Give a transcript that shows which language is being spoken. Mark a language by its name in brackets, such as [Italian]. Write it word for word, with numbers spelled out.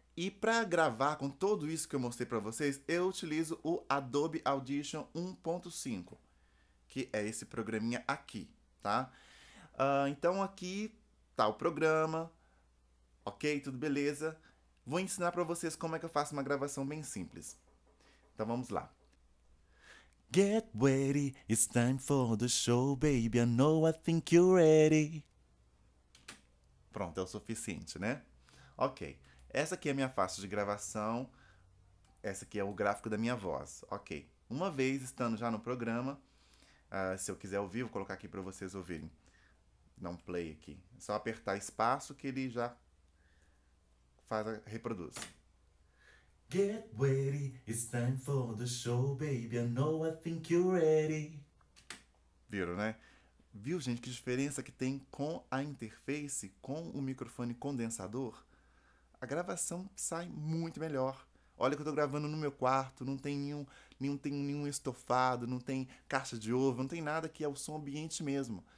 [Portuguese] E para gravar com tudo isso que eu mostrei para vocês, eu utilizo o Adobe Audition um ponto cinco, que é esse programinha aqui, tá? Ah, então aqui tá o programa, ok? Tudo beleza? Vou ensinar para vocês como é que eu faço uma gravação bem simples. Então vamos lá. [English] Get ready, it's time for the show, baby. I know I think you're ready. [Portuguese] Pronto, é o suficiente, né? Ok. Essa aqui é a minha faixa de gravação. Essa aqui é o gráfico da minha voz. Ok. Uma vez estando já no programa, ah, se eu quiser ouvir, vou colocar aqui para vocês ouvirem. Dá um play aqui. É só apertar espaço que ele já faz a, reproduz. [English] Get ready, it's time for the show, baby. I know I think you're ready. [Portuguese] Viram, né? Viu, gente, que diferença que tem com a interface, com o microfone condensador? A gravação sai muito melhor. Olha que eu tô gravando no meu quarto, não tem nenhum, nenhum, tem nenhum estofado, não tem caixa de ovo, não tem nada que é o som ambiente mesmo.